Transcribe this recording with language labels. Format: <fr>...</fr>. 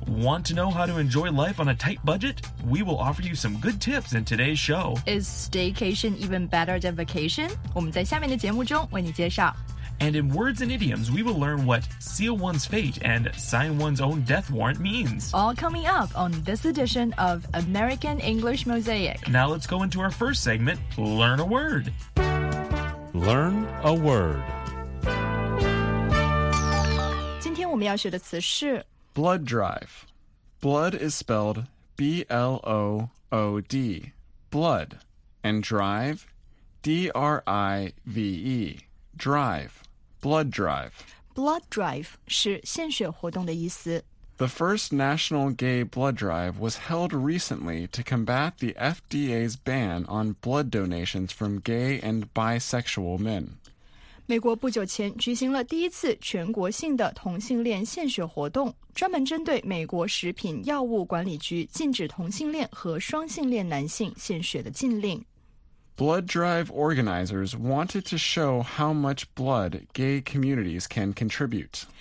<en>Want to know how to enjoy life on a tight budget? We will offer you some good tips in today's show. Is staycation even better than vacation?</en> <zh>我们在下面的节目中为你介绍。</zh> <en>And in words and idioms, we will learn what seal one's fate and sign one's own death warrant means. All coming up on this edition of American English Mosaic. Now let's go into our first segment, Learn a Word. Learn a Word.</en> <zh>我们要学的词是</zh> <en>blood drive. Blood is spelled B-L-O-O-D, blood, and drive, D-R-I-V-E, drive, blood drive.</en> <zh>Blood drive 是献血活动的意思。</zh> <en>The first national gay blood drive was held recently to combat the FDA's ban on blood donations from gay and bisexual men.</en> <zh>美国不久前举行了第一次全国性的同性恋献血活动，专门针对美国食品药物管理局禁止同性恋和双性恋男性献血的禁令。</zh> <en>Blood drive organizers wanted to show how much blood gay communities can contribute.</en>